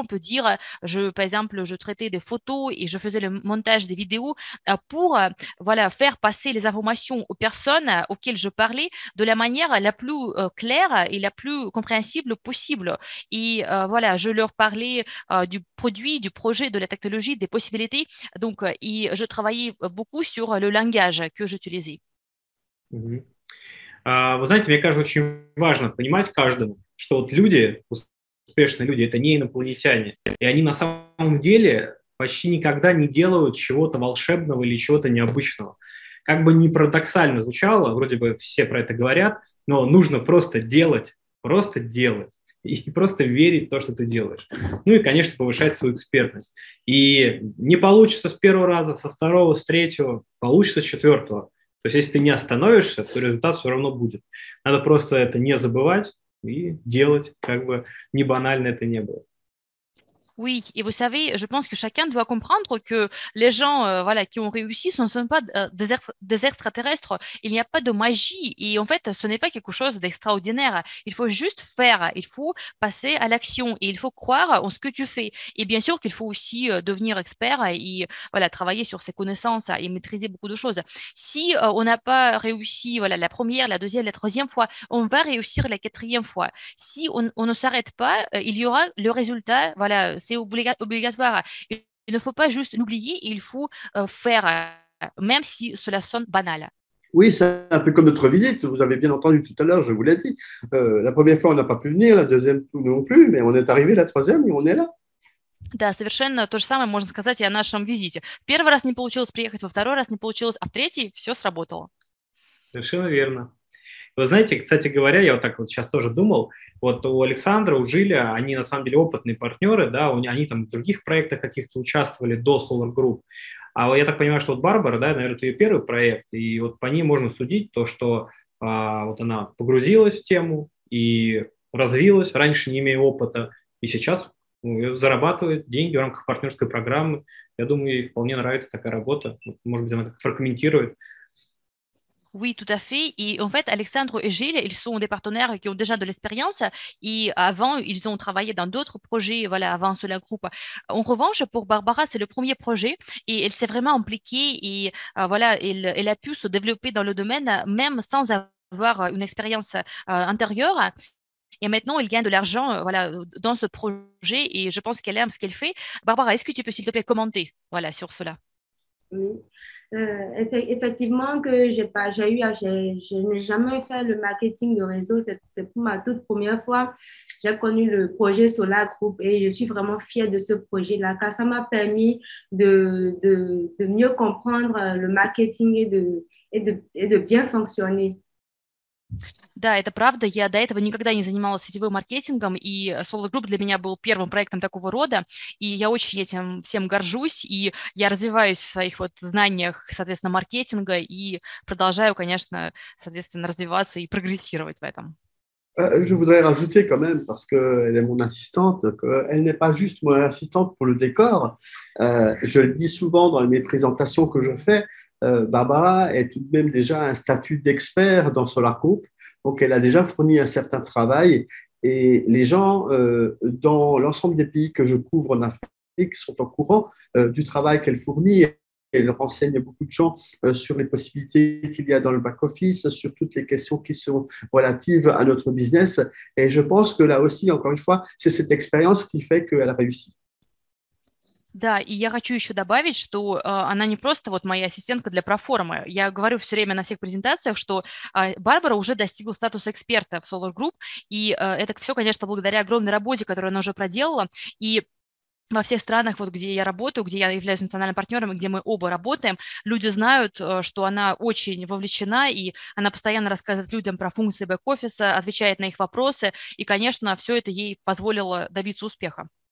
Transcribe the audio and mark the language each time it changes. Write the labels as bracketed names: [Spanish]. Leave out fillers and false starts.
[French] On peut dire, par exemple, je traitais des photos et je faisais le montage des vidéos pour voilà, faire passer les informations aux personnes auxquelles je parlais de la manière la plus claire et la plus compréhensible possible. Et voilà, je leur parlais du produit, du projet, de la technologie, des possibilités. Donc, et je travaillais beaucoup sur le langage que je utiliser. [Russian] Вы знаете, мне кажется, очень важно понимать каждому, что вот люди, успешные люди, это не инопланетяне, и они на самом деле почти никогда не делают чего-то волшебного или чего-то необычного. Как бы ни парадоксально звучало, вроде бы все про это говорят, но нужно просто делать, и просто верить в то, что ты делаешь. Ну и, конечно, повышать свою экспертность. И не получится с первого раза, со второго, с третьего, получится с четвертого. То есть, если ты не остановишься, то результат все равно будет. Надо просто это не забывать и делать, как бы ни банально это ни было. [French] Oui, et vous savez, je pense que chacun doit comprendre que les gens voilà, qui ont réussi, ce ne sont pas des extraterrestres. Il n'y a pas de magie et en fait, ce n'est pas quelque chose d'extraordinaire. Il faut juste faire, il faut passer à l'action et il faut croire en ce que tu fais. Et bien sûr qu'il faut aussi devenir expert et voilà, travailler sur ses connaissances et maîtriser beaucoup de choses. Si on n'a pas réussi voilà, la première, la deuxième, la troisième fois, on va réussir la quatrième fois. Si on ne s'arrête pas, il y aura le résultat, voilà, c'est obligatoire. Il ne faut pas juste l'oublier, il faut faire, même si cela sonne banal. Oui, c'est un peu comme notre visite. Vous avez bien entendu tout à l'heure, je vous l'ai dit. La première fois, on n'a pas pu venir, la deuxième non plus, mais on est arrivé la troisième et on est là. [Russian] Да, совершенно то же самое можно сказать и о нашем визите. В первый раз не получилось приехать, во второй раз не получилось, а в третий все сработало. Совершенно верно. Вы знаете, кстати говоря, я вот так вот сейчас тоже думал, вот у Александра, у Жиля, они на самом деле опытные партнеры, да, они там в других проектах каких-то участвовали до Solar Group. А я так понимаю, что вот Барбара, да, наверное, это ее первый проект, и вот по ней можно судить то, что вот она погрузилась в тему и развилась, раньше не имея опыта, и сейчас зарабатывает деньги в рамках партнерской программы. Я думаю, ей вполне нравится такая работа, вот, может быть, она как-то прокомментирует. [French] Oui, tout à fait. Et en fait, Alexandre et Gilles, ils sont des partenaires qui ont déjà de l'expérience. Et avant, ils ont travaillé dans d'autres projets, voilà, avant cela, groupe. En revanche, pour Barbara, c'est le premier projet. Et elle s'est vraiment impliquée. Et voilà, elle a pu se développer dans le domaine, même sans avoir une expérience antérieure. Et maintenant, elle gagne de l'argent, voilà, dans ce projet. Et je pense qu'elle aime ce qu'elle fait. Barbara, est-ce que tu peux, s'il te plaît, commenter, voilà, sur cela? Oui. Effectivement que je n'ai jamais fait le marketing de réseau, c'était pour ma toute première fois. J'ai connu le projet Solar Group et je suis vraiment fière de ce projet-là car ça m'a permis de mieux comprendre le marketing et de bien fonctionner. [Russian] Да, это правда. Я до этого никогда не занималась сетевым маркетингом, и Solar Group для меня был первым проектом такого рода, и я очень этим всем горжусь, и я развиваюсь в своих вот знаниях, соответственно, маркетинга, и продолжаю, конечно, соответственно, развиваться и прогрессировать в этом. [French] Je voudrais rajouter quand même, parce qu'elle est mon assistante, qu'elle n'est pas juste mon assistante pour le décor. Je le dis souvent dans mes présentations que je fais, Barbara est tout de même déjà un statut d'expert dans Solar Group. Donc, elle a déjà fourni un certain travail et les gens dans l'ensemble des pays que je couvre en Afrique sont au courant du travail qu'elle fournit Elle renseigne beaucoup de gens sur les possibilités qu'il y a dans le back-office, sur toutes les questions qui sont relatives à notre business. Et je pense que là aussi, encore une fois, c'est cette expérience qui fait qu'elle réussit. [Russian] Да, и я хочу еще добавить, что она не просто вот моя ассистентка для проформы. Я говорю все время на всех презентациях, что Барбара уже достигла статуса эксперта в Solar Group, и это все, конечно, благодаря огромной работе, которую она уже проделала, и во всех странах, вот, где я работаю, где я являюсь национальным партнером, где мы оба работаем, люди знают, что она очень вовлечена, и она постоянно рассказывает людям про функции бэк-офиса, отвечает на их вопросы, и, конечно, все это ей позволило добиться успеха.